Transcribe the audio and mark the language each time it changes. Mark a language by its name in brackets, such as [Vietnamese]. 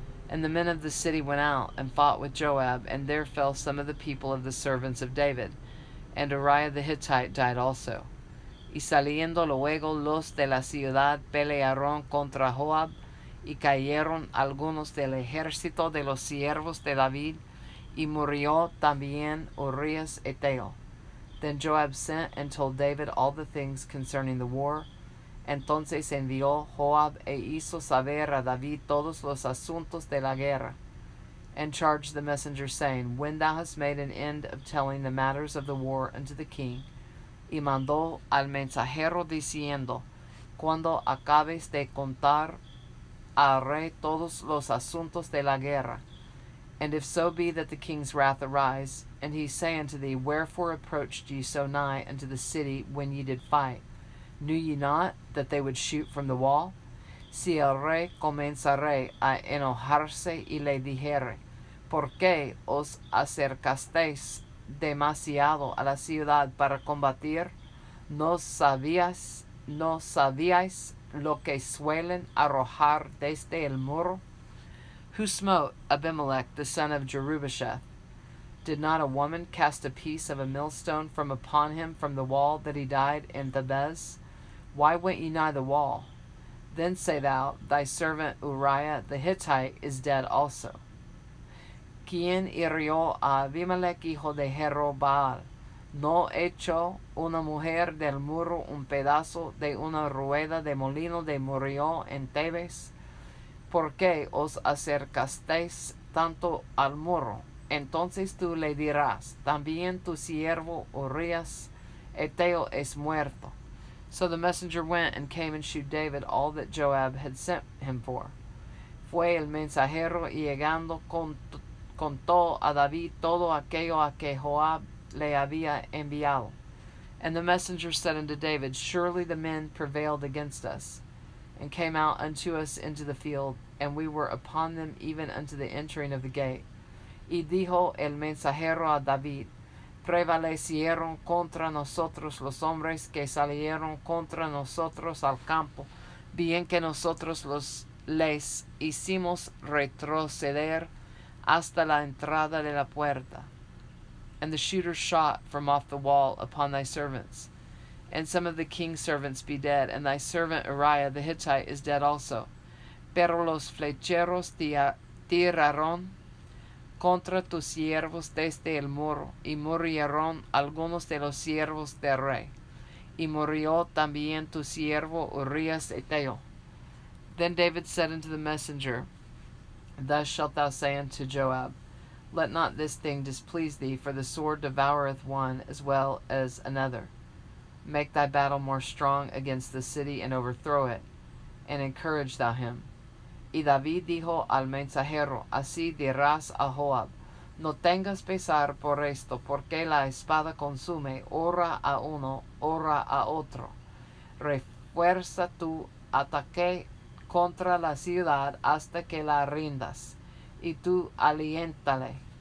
[English] And the men of the city went out and fought with Joab, and there fell some of the people of the servants of David, and Uriah the Hittite died also. [Spanish] Y saliendo luego los de la ciudad pelearon contra Joab, y cayeron algunos del ejército de los siervos de David, y murió también Urias Eteo. [English] Then Joab sent and told David all the things concerning the war. [Spanish] Entonces envió Joab e hizo saber a David todos los asuntos de la guerra. [English] And charged the messenger, saying, when thou hast made an end of telling the matters of the war unto the king, [Spanish] y mandó al mensajero diciendo, cuando acabes de contar al rey todos los asuntos de la guerra, [English] and if so be that the king's wrath arise, and he say unto thee, wherefore approached ye so nigh unto the city when ye did fight? Knew ye not that they would shoot from the wall? [Spanish] Si el rey comenzare a enojarse y le dijere, ¿por qué os acercasteis demasiado a la ciudad para combatir? ¿No sabíais lo que suelen arrojar desde el muro? [English] Who smote Abimelech, the son of Jerubbaal? Did not a woman cast a piece of a millstone from upon him from the wall that he died in Thebez? Why went ye nigh the wall? Then say thou, thy servant Uriah the Hittite is dead also. [Spanish] ¿Quién hirió a Abimelech, hijo de Jerobal? ¿No echó una mujer del muro un pedazo de una rueda de molino de murió en Thebes? ¿Por qué os acercasteis tanto al muro? Entonces tú le dirás, también tu siervo Urias Eteo es muerto. [English] So the messenger went and came and shewed David all that Joab had sent him for. [Spanish] Fue el mensajero y llegando contó a David todo aquello a que Joab le había enviado. [English] And the messenger said unto David, surely the men prevailed against us, and came out unto us into the field, and we were upon them even unto the entering of the gate. [Spanish] Y dijo el mensajero a David, prevalecieron contra nosotros los hombres que salieron contra nosotros al campo, bien que nosotros les hicimos retroceder hasta la entrada de la puerta. [English] And the shooters shot from off the wall upon thy servants, and some of the king's servants be dead, and thy servant Uriah the Hittite is dead also. [Spanish] pero los flecheros tiraron contra tus siervos desde el muro, y murieron algunos de los siervos del rey, y murió también tu siervo Urias Eteo. [English] Then David said unto the messenger, Thus shalt thou say unto Joab, Let not this thing displease thee, for the sword devoureth one as well as another. Make thy battle more strong against the city, and overthrow it, and encourage thou him. [Spanish] Y David dijo al mensajero, Así dirás a Joab, No tengas pesar por esto, porque la espada consume ora a uno, ora a otro. Refuerza tu ataque contra la ciudad hasta que la rindas, y tú aliéntale.